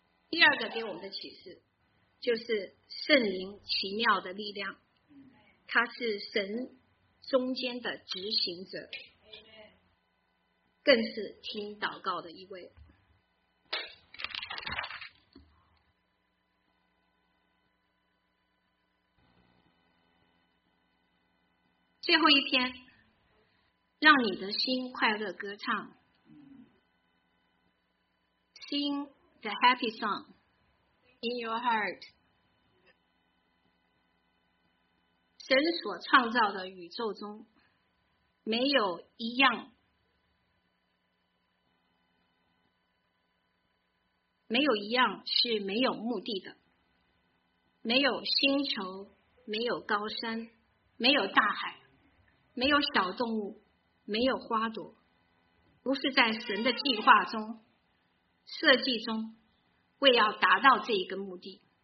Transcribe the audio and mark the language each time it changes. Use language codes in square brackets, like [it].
[zh] 第二个给我们的启示，就是圣灵奇妙的力量，它是神中间的执行者，更是听祷告的一位。最后一篇，让你的心快乐歌唱。 [en] Sing the happy song in your heart. [zh] 神所创造的宇宙中，没有一样，没有一样是没有目的的。没有星球，没有高山，没有大海，没有小动物，没有花朵，不是在神的计划中、设计中，为要达到这一个目的。